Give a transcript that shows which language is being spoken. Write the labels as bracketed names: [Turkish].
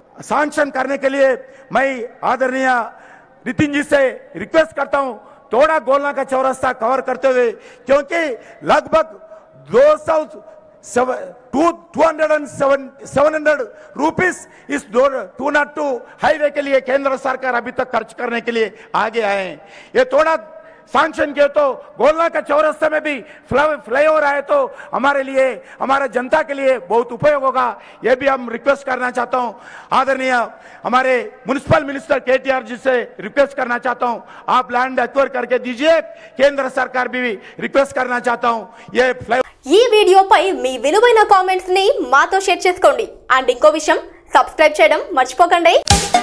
[Hindi] Sanction కర్నే K Liye my ఆదరణీయ Nitin G say request కర్తా who थोड़ा गोलना का चौरस्ता cover करते हुए, क्योंकि लगभग 200 रुपीस इस 202 हाईवे के लिए केंद्र सरकार अभी तक खर्च करने के लिए आगे आए हैं. ये थोड़ा सैंक्शन किए तो गोलना का चौरस्ते में भी फ्लाईओवर आए तो हमारे लिए, हमारे जनता के लिए बहुत उपयोग होगा. ये भी हम रिक्वेस्ट करना चाहता हूँ, आदरणीय हमारे म्युनिसिपल मिनिस्टर KTR जी से रिक्वेस्ट करना चाहता हूँ, आप लैंड एक्वायर करके दीजिए. केंद्र सरकार भी रिक्वेस्ट करना चाहता हूँ ये [Telugu] ఈ వీడియోపై మీ విలువైన కామెంట్స్ ని మాతో షేర్ చేసుకోండి. అండ్ ఇంకో విషయం, సబ్స్క్రైబ్ చేయడం మర్చిపోకండి.